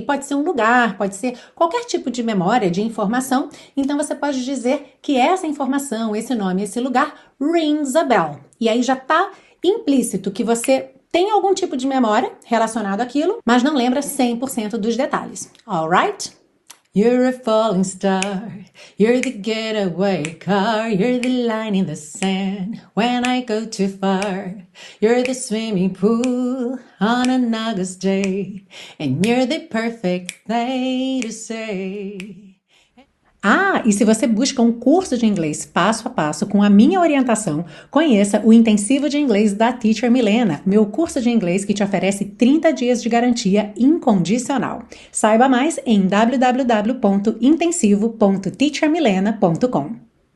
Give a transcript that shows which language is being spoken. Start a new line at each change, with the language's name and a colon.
Portuguese: Pode ser um lugar, pode ser qualquer tipo de memória, de informação, então você pode dizer que essa informação, esse nome, esse lugar,
English: rings a bell.
Portuguese: E aí já tá implícito que você tem algum tipo de memória relacionado àquilo, mas não lembra 100% dos detalhes, alright?
English: You're a falling star, you're the getaway car, you're the line in the sand when I go too far, you're the swimming pool on an August day, and you're the perfect thing to say.
Portuguese: Ah, e se você busca um curso de inglês passo a passo com a minha orientação, conheça o Intensivo de Inglês da Teacher Milena, meu curso de inglês que te oferece 30 dias de garantia incondicional. Saiba mais em www.intensivo.teachermilena.com.